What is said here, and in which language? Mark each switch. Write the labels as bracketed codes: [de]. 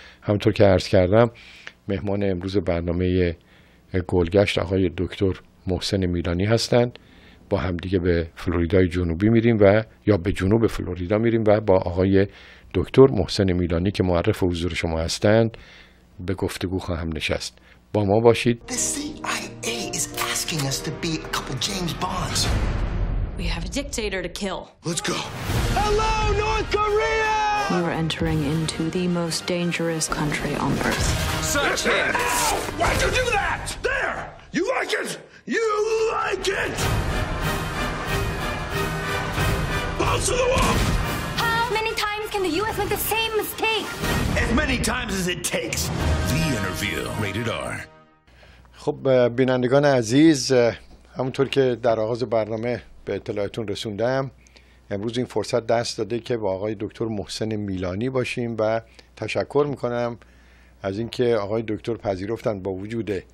[fa] همونطور که عرض کردم، مهمان امروز برنامه گلگشت آقای دکتر محسن میلانی هستند. با هم دیگه به فلوریدای جنوبی میریم و یا به جنوب فلوریدا میریم و با آقای دکتر محسن میلانی که معرف حضور شما هستند به گفتگو خواهم نشست. با ما باشید. [en] The CIA is asking us to be a couple James Bonds. We have a dictator to kill. Let's go. Hello North Korea. We're entering into the most dangerous country on earth. Search him. Why'd you do that? There. You like it? You like it? Bounce to the wall. How many times can the U.S. make the same mistake? As many times as it takes. The interview. Rated R. [fa] خب بینندگان عزیز، همونطور که در آغاز برنامه به اطلاعتون رسوندم، امروز این فرصت دست داده که با آقای دکتر محسن میلانی باشیم و تشکر میکنم از اینکه آقای دکتر پذیرفتن با وجود